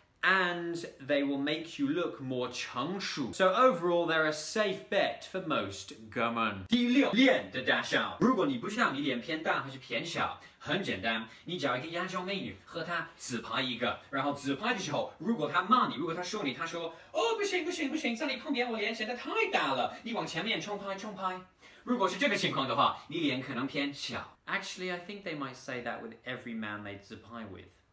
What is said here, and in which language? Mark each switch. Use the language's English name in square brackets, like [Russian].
[English] And they will make you look more 成熟 So overall, they're a safe bet for most 哥们 [Chinese] 第六，脸的大小。如果你不知道你脸偏大还是偏小，很简单，你找一个亚洲美女和她自拍一个，然后自拍的时候，如果她骂你，如果她说你，她说哦不行不行不行，在你旁边我脸显得太大了，你往前面冲拍冲拍。如果是这个情况的话，你脸可能偏小。 [English] Actually, I think they might say that with every man they 自拍 with.